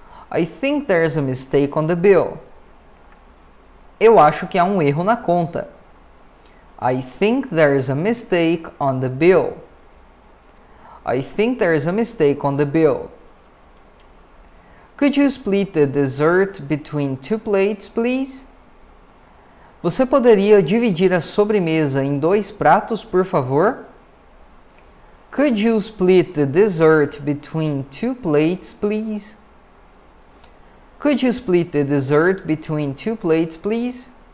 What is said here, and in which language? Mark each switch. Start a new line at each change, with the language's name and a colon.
English: I think there's a mistake on the bill.
Portuguese: Eu acho que há um erro na conta.
English: I think there's a mistake on the bill. I think there's a mistake on the bill. Could you split the dessert between two plates, please?
Portuguese: Você poderia dividir a sobremesa em dois pratos, por favor?
English: Could you split the dessert between two plates, please? Could you split the dessert between two plates, please?